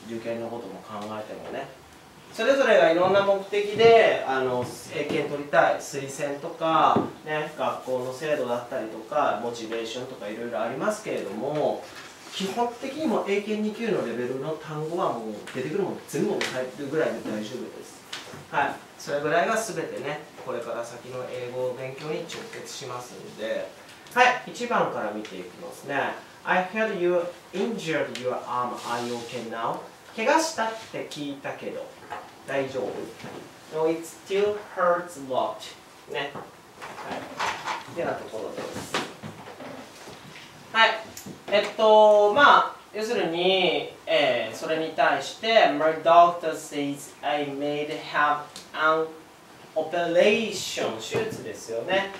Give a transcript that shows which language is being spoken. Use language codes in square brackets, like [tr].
[ja] 受験のことも考えてもね、それぞれがいろんな目的で、あの英検取りたい、推薦とか、ね、学校の制度だったりとかモチベーションとかいろいろありますけれども、基本的にも英検2級のレベルの単語はもう出てくるもの全部入るぐらいで大丈夫です。はい、それぐらいが全てね、これから先の英語勉強に直結しますんで。はい、1番から見ていきますね。 [en] I heard you injured your arm, are you okay now? [ja] 怪我したって聞いたけど大丈夫。 [en] No, it still hurts a lot. ね。 [ja] はい、ってなところです。はい、まあ要するに、それに対して [en] My doctor says I may have an operation、 [ja] 手術ですよね。